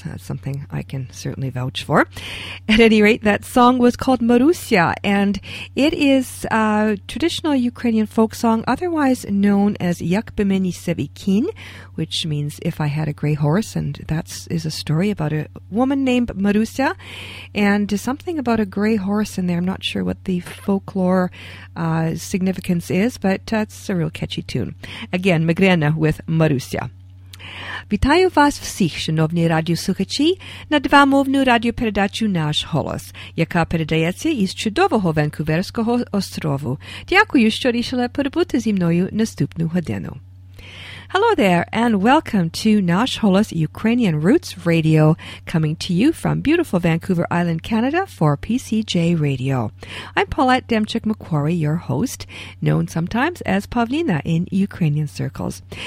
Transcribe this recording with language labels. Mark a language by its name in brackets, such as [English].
[English] That's something I can certainly vouch for. At any rate, that song was called Marusia, and it is a traditional Ukrainian folk song, otherwise known as Yak by meni sebi kin, which means if I had a gray horse, and that is a story about a woman named Marusia, and something about a gray horse in there. I'm not sure what the folklore significance is, but that's a real catchy tune. Again, Migrena with Marusia. [Ukrainian] Вітаю вас всіх, шановні радіослухачі, на двомовну радіопередачу «Наш голос», яка передається із чудового Ванкуверського острову. Дякую, що рішили перебути зі мною наступну годину. [English] Hello there, and welcome to Nash Holos Ukrainian Roots Radio, coming to you from beautiful Vancouver Island, Canada, for PCJ Radio. I'm Paulette Demchuk-McQuarrie, your host, known sometimes as Pavlina in Ukrainian circles.